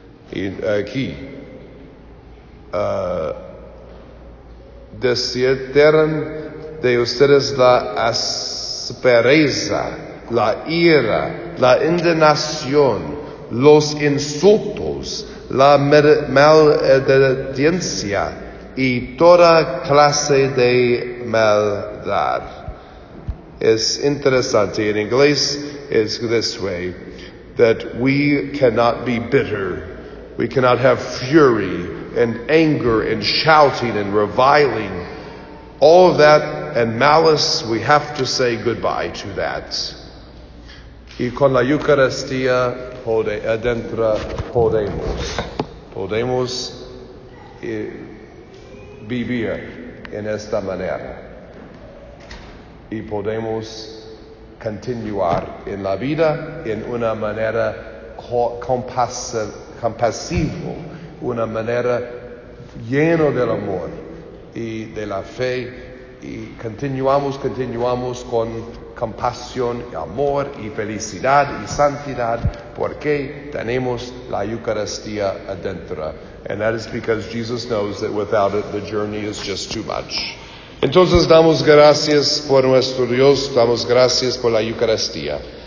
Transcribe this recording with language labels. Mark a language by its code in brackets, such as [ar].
[es] Y aquí, desideran de ustedes la aspereza, la ira, la indignación, los insultos, la maledicencia y toda clase de maldad. Es interesante, en inglés es [en] this way, that we cannot be bitter, we cannot have fury and anger and shouting and reviling, all of that and malice, we have to say goodbye to that. [es] Y con la Eucaristía adentro podemos vivir en esta manera. Y podemos continuar en la vida en una manera compasivo, una manera llena del amor y de la fe. Y continuamos con compasión, amor y felicidad y santidad, porque tenemos la Eucaristía adentro. [en] And that is because Jesus knows that without it, the journey is just too much. [es] Entonces damos gracias por nuestro Dios, damos gracias por la Eucaristía.